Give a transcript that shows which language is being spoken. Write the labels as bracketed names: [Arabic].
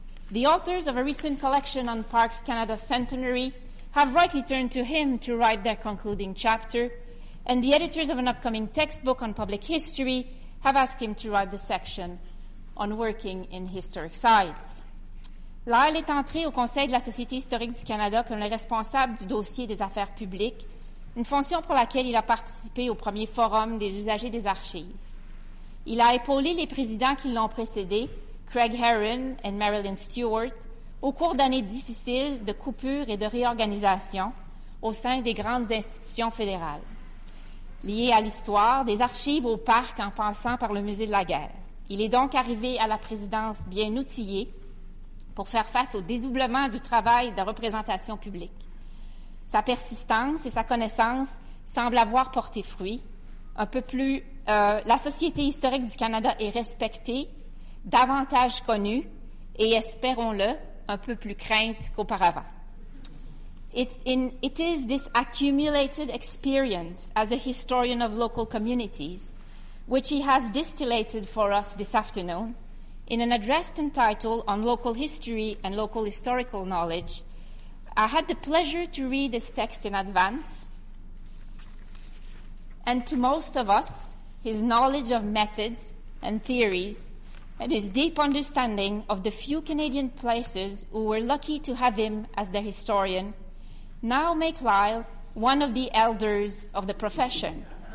[English] The authors of a recent collection on Parks Canada Centenary have rightly turned to him to write their concluding chapter, and the editors of an upcoming textbook on public history have asked him to write the section on working in historic sites. [French] Lyle est entré au Conseil de la Société historique du Canada comme le responsable du dossier des affaires publiques, une fonction pour laquelle il a participé au premier forum des usagers des archives. Il a épaulé les présidents qui l'ont précédé, Craig Herron et Marilyn Stewart, au cours d'années difficiles de coupures et de réorganisations au sein des grandes institutions fédérales. Lié à l'histoire, des archives au parc en passant par le musée de la guerre, il est donc arrivé à la présidence bien outillé pour faire face au dédoublement du travail de représentation publique. Sa persistance et sa connaissance semblent avoir porté fruit. Un peu plus, la Société historique du Canada est respectée, davantage connue et, espérons-le, un peu plus crainte qu'auparavant. [English] It is this accumulated experience as a historian of local communities, which he has distillated for us this afternoon, in an address entitled On Local History and Local Historical Knowledge. I had the pleasure to read this text in advance, and to most of us, his knowledge of methods and theories and his deep understanding of the few Canadian places who were lucky to have him as their historian now make Lyle one of the elders of the profession.